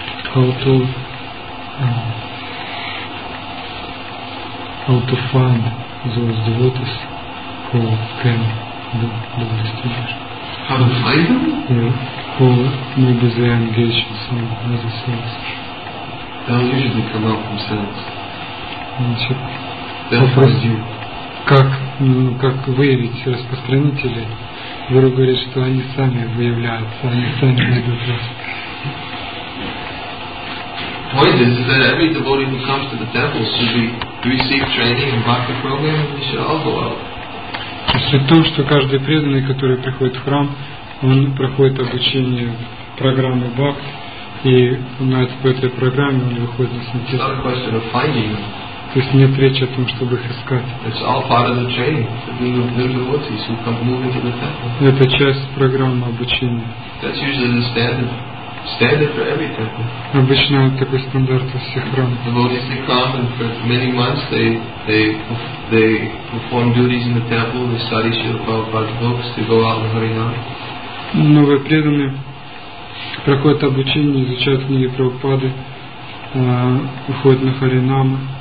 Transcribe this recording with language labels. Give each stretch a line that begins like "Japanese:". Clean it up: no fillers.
English: How to find those devotees who can do the best work. How to find them? Yeah, who maybe they are engaged in some other sense. They'll usually come out from sense.
Russian: Значит, вопрос, как выявить распространителей? Гуру говорит, что они сами выявляются, они сами найдут вас.
English: Point is that every devotee who comes to the temple should be receive training and bhakti program and they should all go out.
Russian: Суть в том, что каждый преданный, который приходит в храм, он проходит обучение программы бхакти, и знает, по этой программе он выходит на санкирту.
English: It's not a question of finding them.
Russian: То есть нет речи о том, чтобы их искать.
English: It's all part of the training for being a new devotee, so come move into the temple.
Russian: Это часть программы обучения.
English: That's usually the standard for every temple.
Russian: Обычно такой стандарт во всех храмах.
English: Devotees they come and for many months they perform duties in the temple, they study Srila Prabhupada's books, they go out and harinam.
Russian: Новые преданные проходят обучение, изучают книги Прабхупады, уходят на харинамы.